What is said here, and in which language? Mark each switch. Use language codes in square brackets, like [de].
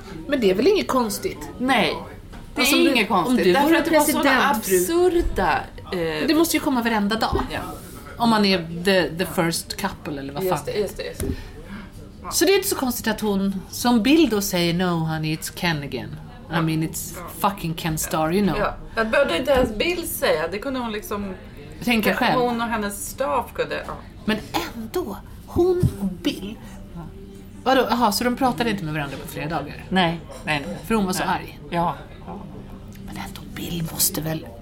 [sv] Men det är väl inget konstigt? Nej, det är inget konstigt. Därför att det var sådana absurda... Det måste ju komma varenda dag. Ja. Om man är [en] the first couple [sv] eller vad fan. Just det. Så det är inte så konstigt att hon som Bill då säger [en] no honey, it's Ken again. I mean it's fucking Ken Starr, you know. [sv] Ja, det behövde inte ens Bill säga. Det kunde hon liksom... Tänka själv. Hon och hennes staff kunde... Ja. Men ändå, hon och Bill... Vadå, aha, så de pratade inte med varandra på flera dagar? Nej. För hon var så arg. Ja. Men ändå, Bill måste väl...